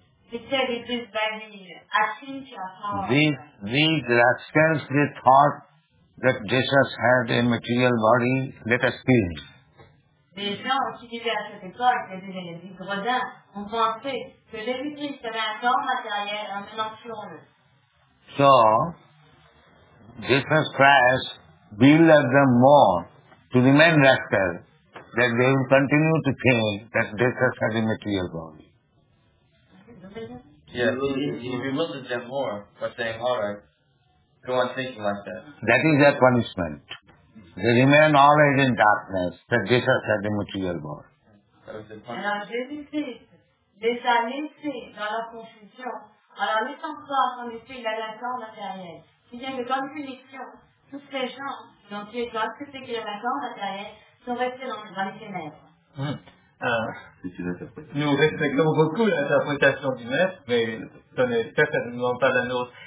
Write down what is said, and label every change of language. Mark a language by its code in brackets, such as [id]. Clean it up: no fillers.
[en] These rascals, they thought that Jesus had a material body, let us kill him. [fr] Les gens qui vivaient à cette époque, les gredins, ont pensé que Jésus-Christ avait un corps matériel, un tuons-le. [en] So, Jesus Christ will love them more to remain rascal that they will continue to think that Jesus has a material body. Yeah, he bewildered them more by saying, alright, go on thinking like that. That is their punishment. They remain always in darkness that Jesus had a material body. That was their punishment. [fr] Alors, laissant croire qu'en effet, il a un corps matériel. Si bien que, comme punition, tous ces gens qui ont tué toi, tous ceux qui ont un corps matériel, sont restés dans les ténèbres. Nous respectons beaucoup l'interprétation du maître, mais ce n'est certainement pas la nôtre.